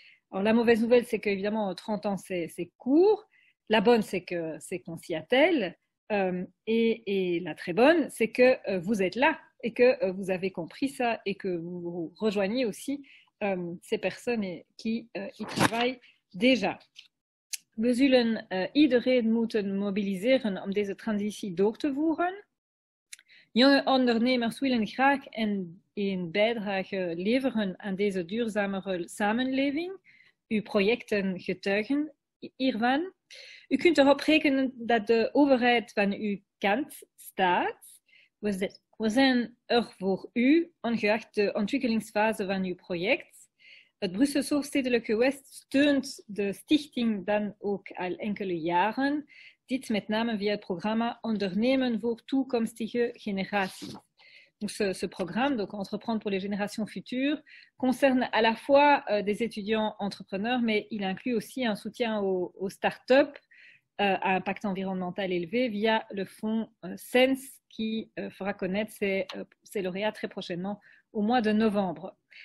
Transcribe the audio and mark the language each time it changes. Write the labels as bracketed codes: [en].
[fr] Alors, la mauvaise nouvelle, c'est qu'évidemment, 30 ans, c'est court. La bonne, c'est qu'on s'y attelle. Et la très bonne, c'est que vous êtes là et que vous avez compris ça et que vous rejoignez aussi ces personnes qui y travaillent déjà. Vous voulez [nl] iedere moet mobiliseren om deze transitie door te voeren. Jonge ondernemers willen graag een bijdrage leveren aan deze duurzamere samenleving. Uw projecten getuigen hiervan. U kunt erop rekenen dat de overheid van uw kant staat. We zijn er voor u, ongeacht de ontwikkelingsfase van uw project. Het Brusselse Stedelijke West steunt de stichting dan ook al enkele jaren. Dit met name via het programma Ondernemen voor toekomstige generaties. [fr] Ce programme, donc Entreprendre pour les générations futures, concerne à la fois des étudiants entrepreneurs, mais il inclut aussi un soutien aux start-up à impact environnemental élevé via le fonds SENSE qui fera connaître ses lauréats très prochainement au mois de novembre.